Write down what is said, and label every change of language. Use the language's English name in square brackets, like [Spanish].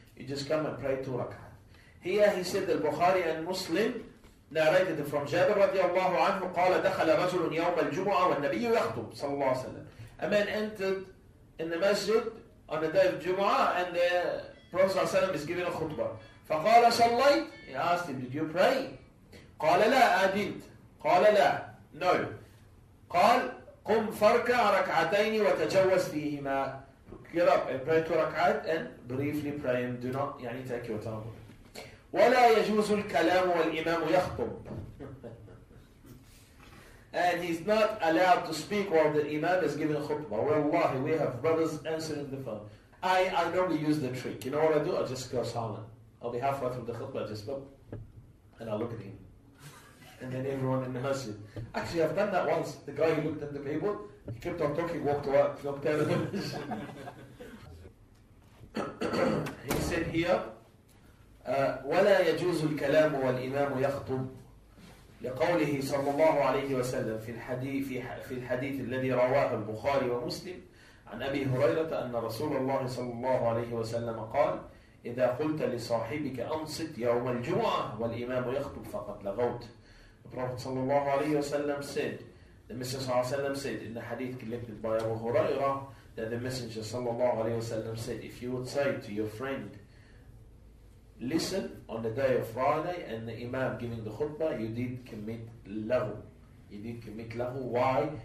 [English] You just come and pray two rak'at. Here he said that Bukhari and Muslim narrated from Jabir radiallahu anhu, [Arabic] قَالَ دَخَلَ رَجُلٌ يَوْمَ الْجُمُعَةِ وَالنَّبِيُّ يَخْطُبْ صلى الله عليه وسلم. [English] A man entered in the masjid on the day of Jum'ah, and the Prophet ﷺ is giving a khutbah. [Arabic] فقال صليت. [English] He asked him, did you pray? [Arabic] قال لا أدنت. قال لا. [English] No. [Arabic] قال قم فركع ركعتين وتجوز فيهما. [English] Get up and pray two ركعات and briefly pray and do not يعني take your time. [Arabic] ولا يجوز الكلام والإمام يخطب. [English] And he's not allowed to speak while the Imam is giving khutbah. والله, we have brothers answering the phone. I normally use the trick. You know what I do? I just go silent. I'll be halfway through the khutbah, I just look, and I look at him. And then everyone in the masjid. Actually, I've done that once. The guy who looked at the people, he kept on talking, walked away, knocked out of the masjid. He said here, [Arabic] وَلَا يَجُوزُ الْكَلَامُ وَالْإِمَامُ يَخْطُبُ لِقَوْلِهِ صَلَّى اللَّهُ عَلَيْهِ وَسَلَّمُ فِي الْحَدِيثِ الَّذِي رواه البخاري ومسلم عن أبي هريرة أن رسول الله صلى الله عليه وسلم قال إذا قلت لصاحبك أنصت يوم الجمعة والإمام يخطب فقد لغوت. [English] The Prophet صلى الله عليه وسلم said, the Messenger صلى الله عليه وسلم said in the hadith collected by Abu Huraira, that the Messenger صلى الله عليه وسلم said, if you would say to your friend, listen on the day of Friday and the Imam giving the khutbah, you did commit lagh. You did commit lagh. Why?